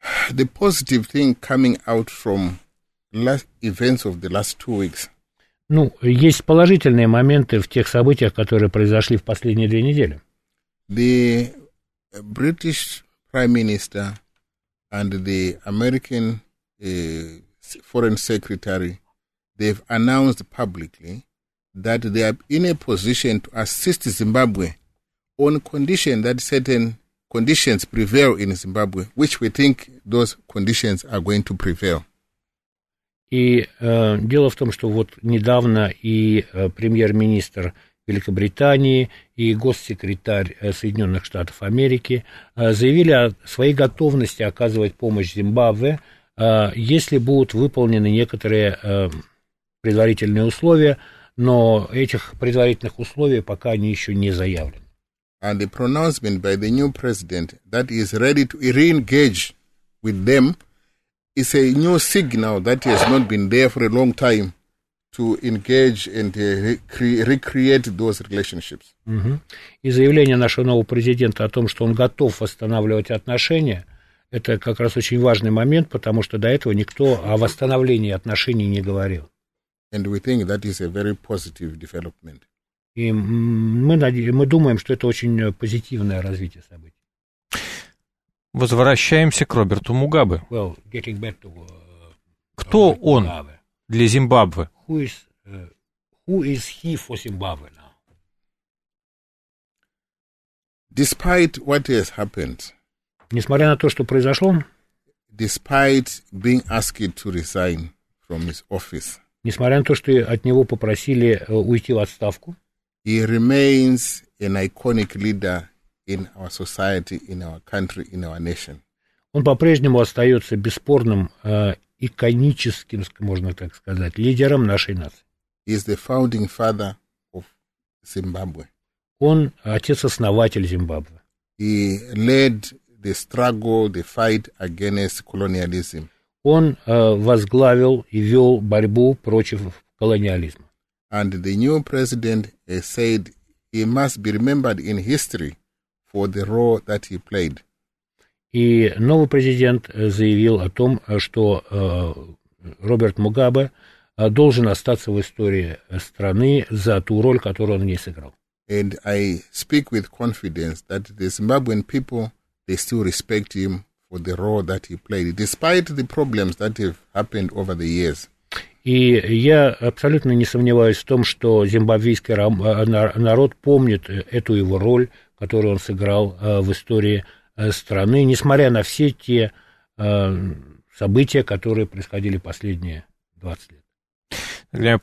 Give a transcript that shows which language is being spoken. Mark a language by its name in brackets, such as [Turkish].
[English] The positive thing coming out from last events of the last two weeks. [Russian] Ну, есть положительные моменты в тех событиях, которые произошли в последние две недели. [English] The British Prime Minister and the American Foreign Secretary, they've announced publicly that they are in a position to assist Zimbabwe on condition that certain conditions prevail in Zimbabwe, which we think those conditions are going to prevail. [Russian] И дело в том, что вот недавно и премьер-министр Великобритании, и госсекретарь Соединенных Штатов Америки заявили о своей готовности оказывать помощь Зимбабве, если будут выполнены некоторые предварительные условия, но этих предварительных условий пока они еще не заявлены. [English] And the pronouncement by the new president that he is ready to re-engage with them is a new signal that he has not been there for a long time to engage and recreate those relationships. Mm-hmm. [Russian] И заявление нашего нового президента о том, что он готов восстанавливать отношения, это как раз очень важный момент, потому что до этого никто о восстановлении отношений не говорил. [English] And we think that is a very positive development. [Russian] И мы думаем, что это очень позитивное развитие событий. Возвращаемся к Роберту Мугабе. [English] Well, getting back to, [Russian] кто он Mugabe. Для Зимбабве? [English] Who is he for Zimbabwe now? Despite what has happened, [Russian] несмотря на то, что произошло, [English] despite being asked to resign from his office, [Russian] несмотря на то, что от него попросили уйти в отставку, [English] he remains an iconic leader in our society, in our country, in our nation. [Russian] Он по-прежнему остается бесспорным иконическим, можно так сказать, лидером нашей нации. [English] He is the founding father of Zimbabwe. [Russian] Он отец-основатель Зимбабве. [English] He led the struggle, the fight against colonialism. [Russian] Он возглавил и вел борьбу против колониализма. [English] And the new president said he must be remembered in history for the role that he played. [Russian] И новый президент заявил о том, что Роберт Мугабе должен остаться в истории страны за ту роль, которую он в ней сыграл. [English] And I speak with confidence that the Zimbabwean people, they still respect him for the role that he played, despite the problems that have happened over the years. [Russian] И я абсолютно не сомневаюсь в том, что зимбабвийский народ помнит эту его роль, которую он сыграл в истории страны, несмотря на все те события, которые происходили последние 20 лет.